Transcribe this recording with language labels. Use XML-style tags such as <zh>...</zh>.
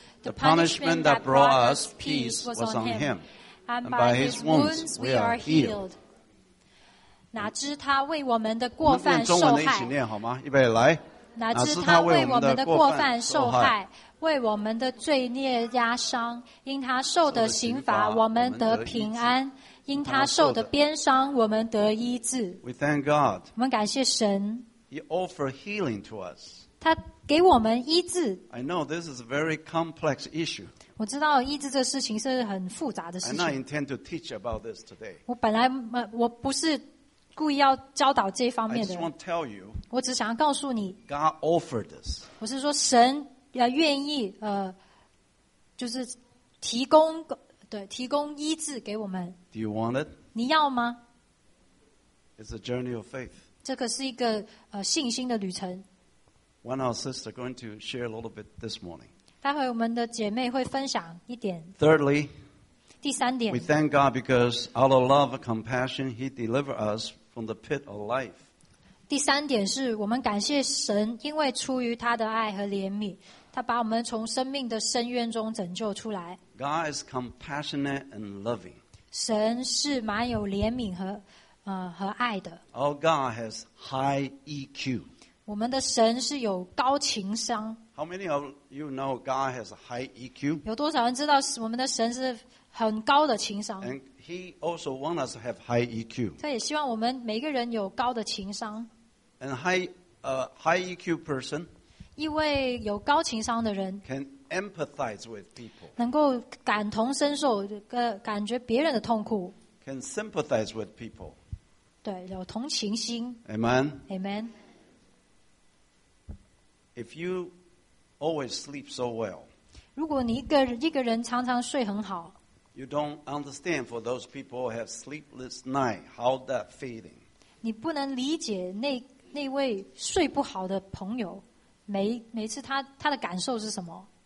<en>The punishment that brought us peace was on him. And by his wounds we are healed.</en> <zh>哪知他为我们的过犯受害。用中文一起念好吗？预备来。哪知他为我们的过犯受害，为我们的罪孽压伤。因他受的刑罚，我们得平安。因他受的鞭伤，我们得医治。</zh> <en>We thank God.</en> <zh>我们感谢神。</zh> <en>He offered healing to us.</en> <zh>他给我们医治。</zh> <en>I know this is a very complex issue.</en> <zh>我知道医治这事情是很复杂的事情。</zh> <en>I not intend to teach about this today.</en> <zh>我本来我不是故意要教导这方面的。</zh> <en>I just want to tell you.</en> <zh>我只想要告诉你。</zh> <en>God offered this.</en> <zh>我是说神愿意就是提供。对，提供医治给我们。</zh> <en>Do you want it?</en> <zh>你要吗</zh> <en>？It's a journey of faith.</en> <zh>这个是一个信心的旅程。</zh> <en>One of our sisters going to share a little bit this morning.</en> <zh>待会我们的姐妹会分享一点。</zh> <en>Thirdly,</en> <zh>第三点。</zh> <en>We thank God because out of love and compassion, He delivered us from the pit of life.</en> <zh>第三点是我们感谢神，因为出于他的爱和怜悯。他把我们从生命的深渊中拯救出来。</zh> <en>God is compassionate and loving.</en> <zh>神是蛮有怜悯和和爱的。</zh> <en>Our God has high EQ.</en> <zh>我们的神是有高情商。</zh> <en>How many of you know God has high EQ?</en> <zh>有多少人知道我们的神是很高的情商</zh> <en>？And He also wants us to have high EQ.</en> <zh>他也希望我们每个人有高的情商。</zh> <en>And high EQ person.</en> <zh>一位有高情商的人</zh> <en>can empathize with people</en> <zh>能够感同身受感觉别人的痛苦</zh> <en>can sympathize with people</en> <zh>对有同情心</zh> <en>Amen Amen If you always sleep so well</en> <zh>如果你一个人常常睡很好</zh> <en>You don't understand for those people who have sleepless night how that feeling</en> <zh>你不能理解那位睡不好的朋友每次他的感受是什么</zh>